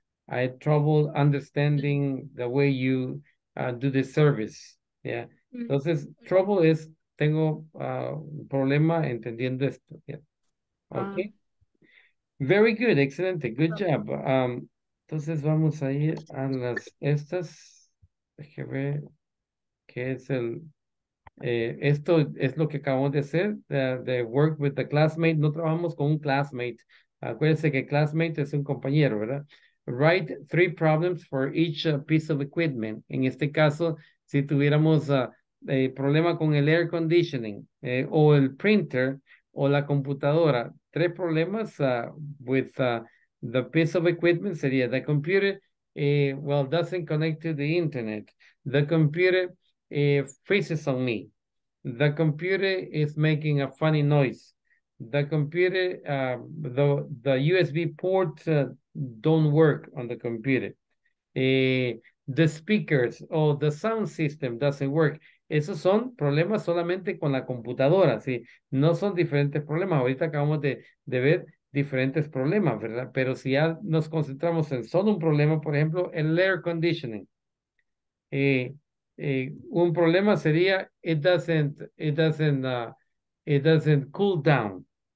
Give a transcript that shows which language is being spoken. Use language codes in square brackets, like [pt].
[en] I have trouble understanding the way you do the service, yeah. [es] Entonces, trouble es, tengo un problema entendiendo esto. [en] Yeah. Ok. Very good, excelente. Good job. [es] Entonces, vamos a ir a las estas. Déjame ver qué es el... esto es lo que acabamos de hacer, de [en] work with the classmate. [es] No trabajamos con un classmate. Acuérdense que classmate es un compañero, ¿verdad? [en] write three problems for each piece of equipment. [es] En este caso, si tuviéramos problema con el air conditioning, o el printer, o la computadora, tres problemas [en] with the piece of equipment [es] sería [en] the computer, well, doesn't connect to the internet. The computer freezes on me. The computer is making a funny noise. The computer, the USB port don't work on the computer. The speakers or the sound system doesn't work. [es] Esos son problemas solamente con la computadora, ¿sí? No son diferentes problemas. Ahorita acabamos de ver diferentes problemas, ¿verdad? Pero si ya nos concentramos en solo un problema, por ejemplo, el air conditioning. Un problema sería [en] it doesn't cool down.